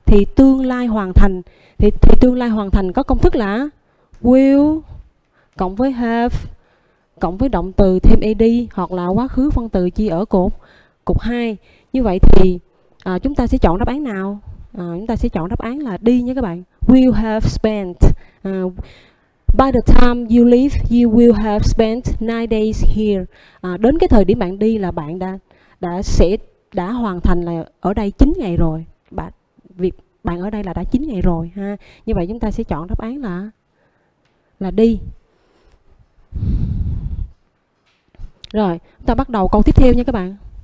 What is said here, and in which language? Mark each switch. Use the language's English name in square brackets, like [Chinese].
[Vietnamese] Thì tương lai hoàn thành. Thì tương lai hoàn thành có công thức là will cộng với have cộng với động từ thêm ed hoặc là quá khứ phân từ chia ở cột 2. Như vậy thì chúng ta sẽ chọn đáp án nào? Chúng ta sẽ chọn đáp án là D nha các bạn. [English] Will have spent. By the time you leave, you will have spent 9 days here. [Vietnamese] Đến cái thời điểm bạn đi là bạn đã hoàn thành là ở đây 9 ngày rồi. Bạn ở đây là đã 9 ngày rồi ha. Như vậy chúng ta sẽ chọn đáp án là đi. Rồi, chúng ta bắt đầu câu tiếp theo nha các bạn.